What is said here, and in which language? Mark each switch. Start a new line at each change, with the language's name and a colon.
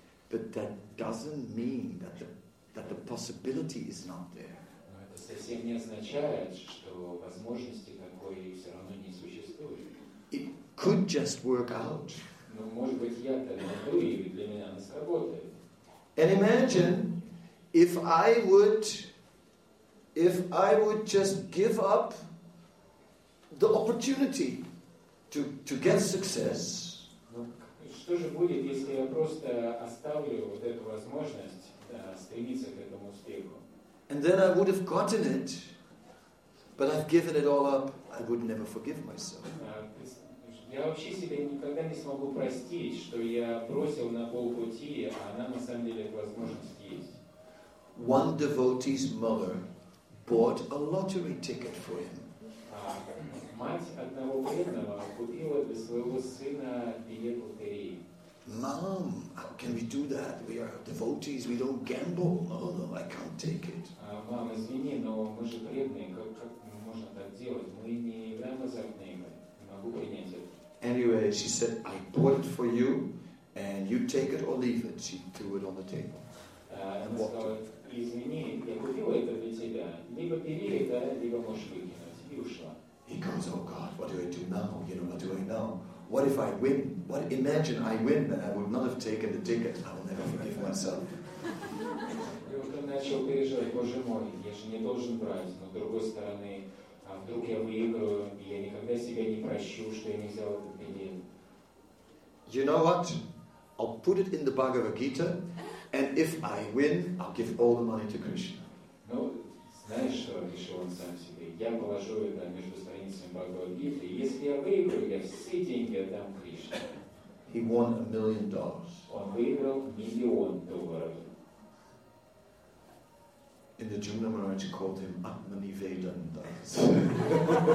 English: But that doesn't mean that the possibility is not there.
Russian: Совсем не означает, что возможности такой все равно не существует.
English: It could just work out.
Russian: Но может быть я так могу, и для меня она сработает.
English: And imagine if I would just give up the opportunity to get success.
Russian: Что же будет, если я просто оставлю вот эту возможность стремиться к этому успеху?
English: And then I would have gotten it, but I've given it all up. I would never forgive myself.
Russian: Я вообще себе никогда не смогу простить, что я бросил на полпути, а она на самом деле эту возможность есть.
English: One devotee's mother bought a lottery ticket for him.
Russian: Мать одного преданного купила для своего сына билет лотереи.
English: Mom, how can we do that? We are devotees, we don't gamble. No, I can't take it.
Russian: Мам, извини, но мы же преданные. Как можно так делать? Мы не играем азартные игры. Не могу принять это.
English: Anyway, she said, I bought it for you, and you take it or leave it. She threw it on the table. And walked out.
Russian: Извини, я купила это для тебя. Либо бери это, либо можешь выкинуть. И ушла.
English: He goes, oh God, what do I do now? You know, what do I know? What if I win? What? Imagine I win, then I would not have taken the ticket. I will never forgive myself.
Russian: начал переживать, Боже мой, я же не должен брать, но с другой стороны, а вдруг я выиграю, и я никогда себя не прощу, что я не взял этот билет.
English: You know what? I'll put it in the Bhagavad Gita, and if I win, I'll give all the money to Krishna.
Russian: Ну, знаешь что, решил он сам себе, я положу это между страницами Бхагавад Гиты, и если я выиграю, я все деньги отдам Кришне.
English: He won $1 million.
Russian: Он выиграл миллион долларов.
English: In the Jumna Maharaj called him Atmani Vedanta.